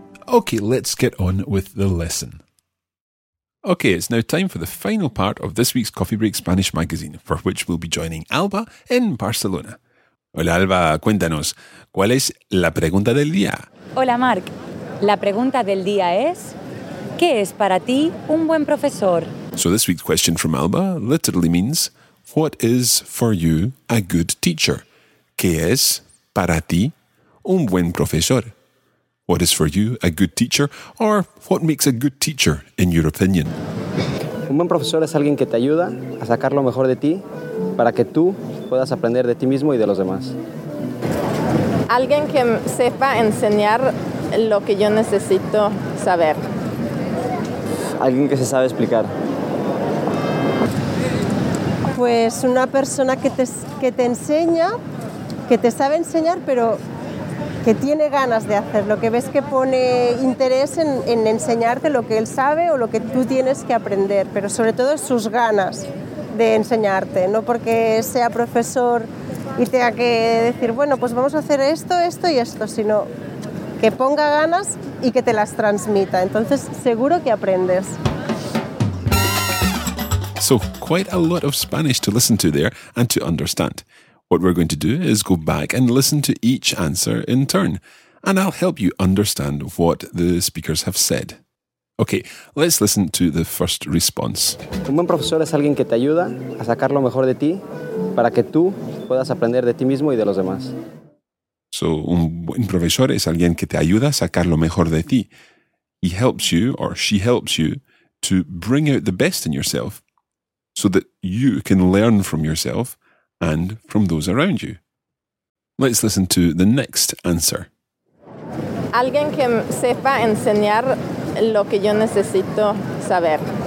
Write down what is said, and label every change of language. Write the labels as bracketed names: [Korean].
[English] Okay, let's get on with the lesson. Okay, it's now time for the final part of this week's Coffee Break Spanish magazine, for which we'll be joining Alba in Barcelona. [Spanish] Hola Alba, cuéntanos, ¿cuál es la pregunta del día? Hola Marc, la pregunta del día es, ¿qué es para ti un buen profesor? [English] So this week's question from Alba literally means, what is for you a good teacher? [Spanish] ¿Qué es para ti un buen profesor? [English] What is for you a good teacher, or what makes a good teacher, in your opinion? [Spanish] Un buen profesor es alguien que te ayuda a sacar lo mejor de ti para que tú puedas aprender de ti mismo y de los demás. Alguien que sepa enseñar lo que yo necesito saber. Alguien que se sabe explicar. Pues una persona que te enseña, que te sabe enseñar, pero que tiene ganas de hacerlo, que ves que pone interés en enseñarte lo que él sabe o lo que tú tienes que aprender, pero sobre todo sus ganas de enseñarte, no porque sea profesor y tenga que decir, bueno, pues vamos a hacer esto, esto y esto, sino que ponga ganas y que te las transmita. Entonces, seguro que aprendes. [English] So, quite a lot of Spanish to listen to there and to understand. What we're going to do is go back and listen to each answer in turn, and I'll help you understand what the speakers have said. Okay, let's listen to the first response. [Spanish] Un buen profesor es alguien que te ayuda a sacar lo mejor de ti para que tú puedas aprender de ti mismo y de los demás. So, un buen profesor es alguien que te ayuda a sacar lo mejor de ti. [English] He helps you, or she helps you, to bring out the best in yourself so that you can learn from yourself and from those around you. Let's listen to the next answer. [Spanish] Alguien que sepa enseñar lo que yo necesito saber.